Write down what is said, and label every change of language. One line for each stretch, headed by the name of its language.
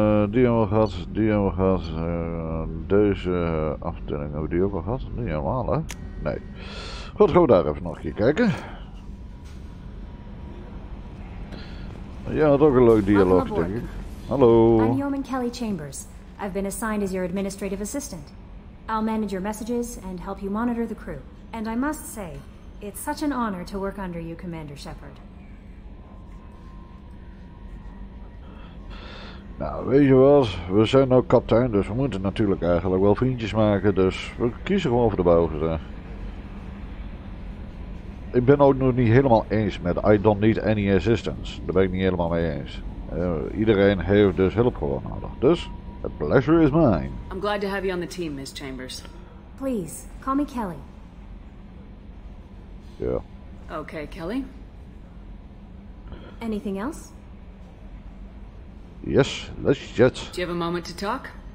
Dutch: Die hebben we gehad, die hebben we gehad. Deze afdeling hebben we die ook al gehad. Niet helemaal, hè? Nee. Goed, gaan we daar even nog een keer kijken. Ja, dat ook een leuk dialoog, denk ik. Hallo.
English: I'm Yeoman Kelly Chambers. I've been assigned as your administrative assistant. I'll manage your messages and help you monitor the crew. And I must say, it's such an honor to work under you, Commander Shepard.
Dutch: Nou, weet je wat? We zijn ook kaptein, dus we moeten natuurlijk eigenlijk wel vriendjes maken. Dus we kiezen gewoon voor de bouwers. Ik ben ook nog niet helemaal eens met
English: I don't need any assistance.
Dutch: Daar ben ik niet helemaal mee eens. Iedereen heeft dus hulp gewoon nodig.
English: Dus, the pleasure is mine. I'm glad to have you on the team, Miss Chambers. Please, call me Kelly. Yeah. Okay, Kelly. Anything else? Yes, let's jet. Do you have a moment to talk?